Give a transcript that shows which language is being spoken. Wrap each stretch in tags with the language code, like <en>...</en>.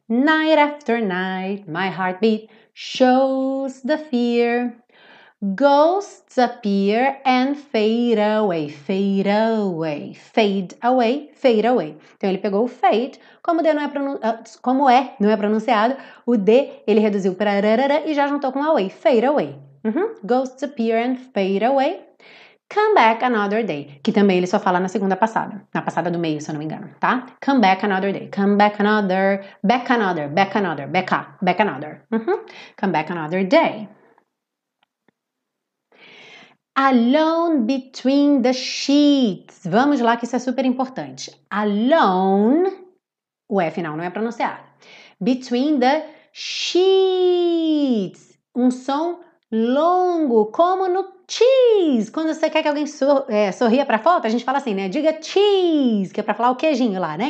<en>Night after night, my heartbeat shows the fear. Ghosts appear and fade away, fade away, fade away, fade away.</en> <pt>Então ele pegou o fade, como, D não é como é, não é pronunciado, o D ele reduziu para rarara e já juntou com away,</pt> <en>fade away. Uhum. Ghosts appear and fade away. Come back another day,</en> <pt>que também ele só fala na passada do meio, se eu não me engano, tá?</pt> <en>Come back another day, come back another, back another, back another, back up, back another. Uhum. Come back another day. Alone between the sheets.</en> <pt>Vamos lá que isso é super importante. Alone, o F final não é pronunciado.</pt> <en>Between the sheets.</en> <pt>Um som longo, como no cheese. Quando você quer que alguém sorria pra foto, a gente fala assim, né? Diga cheese, que é pra falar o queijinho lá, né?</pt>